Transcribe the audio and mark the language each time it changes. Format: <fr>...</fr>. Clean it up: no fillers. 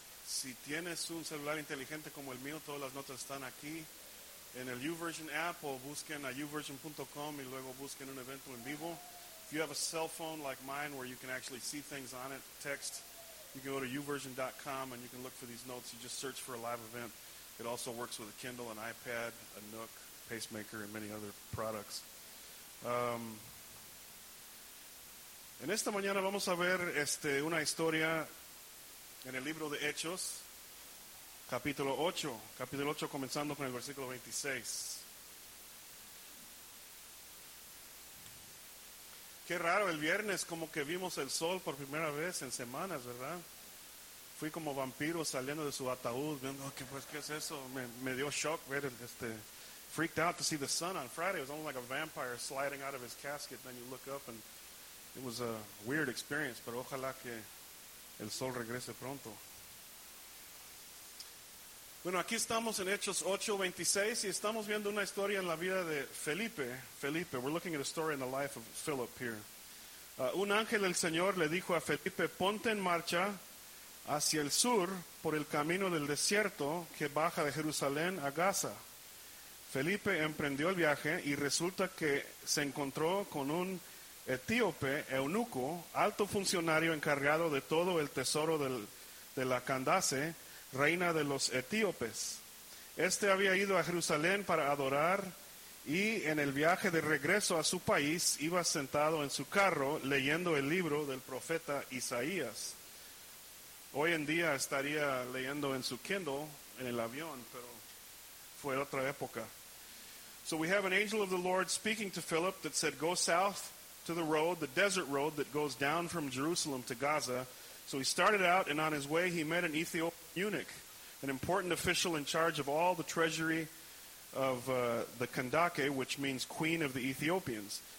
<es>si tienes un celular inteligente como el mío, todas las notas están aquí en el YouVersion app, o busquen a YouVersion.com y luego busquen un evento en vivo.</es> <en>If you have a cell phone like mine where you can actually see things on it, text, you can go to YouVersion.com and you can look for these notes. You just search for a live event. It also works with a Kindle, an iPad, a Nook, Pacemaker, and many other products.</en> <es>En esta mañana vamos a ver una historia en el libro de Hechos, capítulo 8. Capítulo 8, comenzando con el versículo 26. Qué raro, el viernes como que vimos el sol por primera vez en semanas, ¿verdad? Fui como vampiro saliendo de su ataúd, viendo, okay, pues, ¿qué es eso? Me dio shock ver</es> <en>freaked out to see the sun on Friday. It was almost like a vampire sliding out of his casket. Then you look up and it was a weird experience,</en> <es>pero ojalá que el sol regrese pronto. Bueno, aquí estamos en Hechos 8:26 y estamos viendo una historia en la vida de Felipe.</es> <en>Felipe, we're looking at a story in the life of Philip here.</en> <es>Un ángel del Señor le dijo a Felipe, ponte en marcha hacia el sur por el camino del desierto que baja de Jerusalén a Gaza. Felipe emprendió el viaje y resulta que se encontró con un etíope, eunuco, alto funcionario encargado de todo el tesoro de la Candace, reina de los etíopes. Este había ido a Jerusalén para adorar y en el viaje de regreso a su país iba sentado en su carro leyendo el libro del profeta Isaías. Hoy en día estaría leyendo en su Kindle en el avión, pero fue otra época.</es> <en>So we have an angel of the Lord speaking to Philip that said, go south to the road, the desert road that goes down from Jerusalem to Gaza. So he started out, and on his way he met an Ethiopian eunuch, an important official in charge of all the treasury of the Candace, which means queen of the Ethiopians.</en>